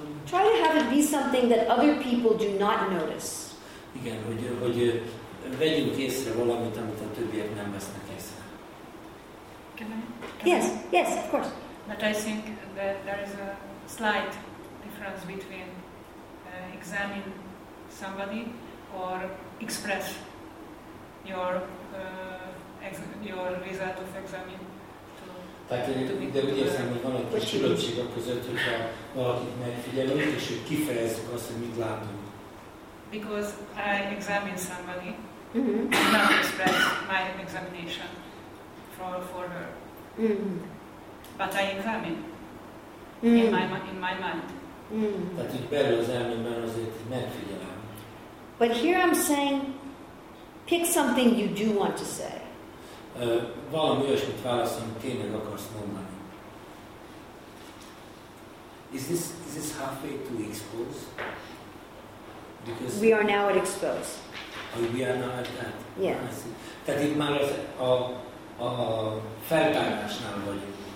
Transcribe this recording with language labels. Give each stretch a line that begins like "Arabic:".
English: Try to have it be something that other people do not notice.
Hungarian: Igen, hogy vegyünk észre valamit, amit a többiek nem vesznek észre.
English: Can I? Yes, of course. But I think that there is a slight difference between examine somebody or express your result of examine.
Hungarian: Tehát én de úgy érzem, hogy van egy kis különbség a között, hogyha valakit megfigyelünk, és hogy kifejezzük azt, hogy mit látunk.
English: Because I examine somebody, mm-hmm. not express my examination for her. Mm-hmm. But I examine in my mind. Mm-hmm.
Hungarian: Tehát így belül az elmémben azért megfigyelem.
English: But here I'm saying, pick something you do want to say.
Hungarian: Valami olyasmit válaszolni, amit tényleg akarsz mondani.
English: Is this halfway to expose? Because we are now at expose. We are now at that. Yes.
Hungarian: Tehát itt már a feltárásnál vagyunk.